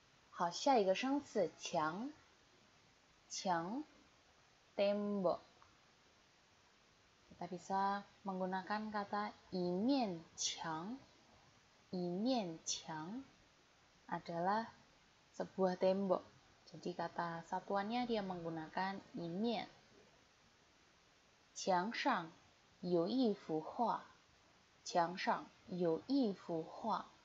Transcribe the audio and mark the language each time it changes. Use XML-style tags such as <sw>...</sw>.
<zh>好，下一个生词墙，墙 ，tembok。</zh> <id>kita bisa menggunakan kata</id> <zh>一面墙，一面墙</zh> <id>adalah sebuah tembok。 jadi kata satuannya dia menggunakan 一面。</id> <zh>墙上有一幅画，墙上有一幅画。</zh>